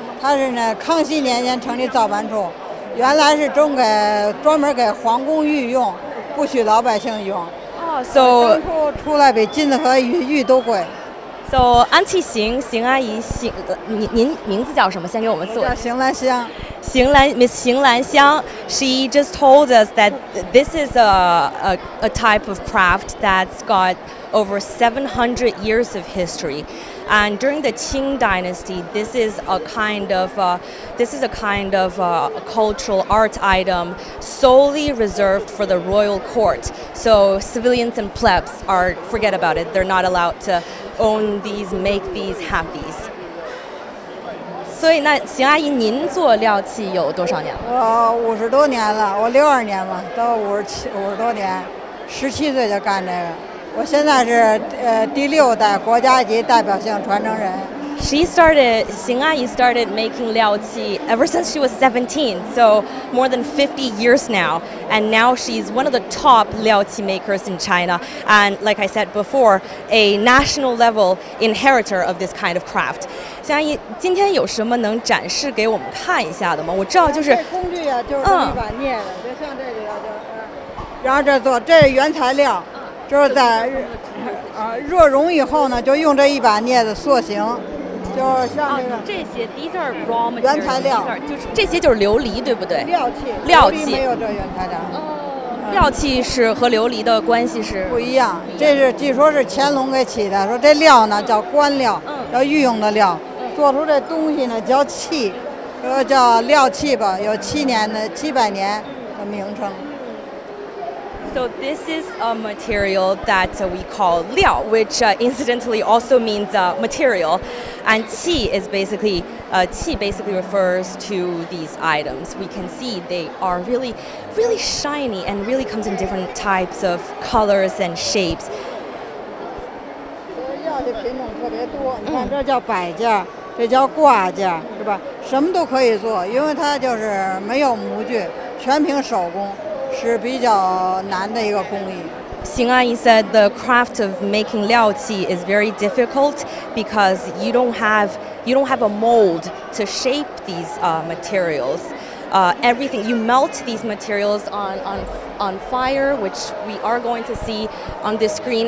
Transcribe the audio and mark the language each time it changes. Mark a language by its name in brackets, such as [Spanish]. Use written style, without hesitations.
[Chinese] 它是呢，康熙年间成立造办处，原来是专门给皇宫御用。不许老百姓用。 [English] So [Chinese] 出来比金子和玉都贵。 So 安琪邢阿姨，您名字叫什么？先给我们做。叫邢兰香。 [English] Miss 邢兰香 ，She just told us that this is a type of craft that's got over 700 years of history, and during the Qing Dynasty, this is a kind of a cultural art item solely reserved for the royal court. So civilians and plebs are forget about it. They're not allowed to own these, make these, have these. [Chinese] 所以那邢阿姨，您做料器有多少年了？我五十多年了，我62年嘛，都五十多年，17岁就干这个。我现在是第6代国家级代表性传承人。 [English] 邢阿姨 started making 料器 ever since she was 17, so more than 50 years now. And now she's one of the top 料器 makers in China. And like I said before, a national level inheritor of this kind of craft. [Chinese] 邢阿姨，今天有什么能展示给我们看一下的吗？我知道就是这工具啊，就是一把镊子，就像这个就是，然后这做这原材料，就是在热熔以后呢，就用这一把镊子塑形。就像那个这些 [English] ，these are raw material， [Chinese] 原材料，就是这些就是琉璃，对不对？料器，料器没有这原材料。料器是和琉璃的关系是不一样。这是据说是乾隆给起的，说这料呢叫官料，叫御用的料，做出这东西呢叫器，说叫料器吧，有700年的名称。 [English] So this is a material that we call 料, which incidentally also means material. And 器 is basically, 器 basically refers to these items. We can see they are really, really shiny and really comes in different types of colors and shapes. [Chinese] 料的品种特别多，你看这叫摆件，这叫挂件，是吧？什么都可以做，因为它就是没有模具，全凭手工。是比较难的一个工艺。 [English] 邢阿姨 said the craft of making 料器 is very difficult because you don't have a mold to shape these materials. Everything you melt these materials on fire, which we are going to see on this screen.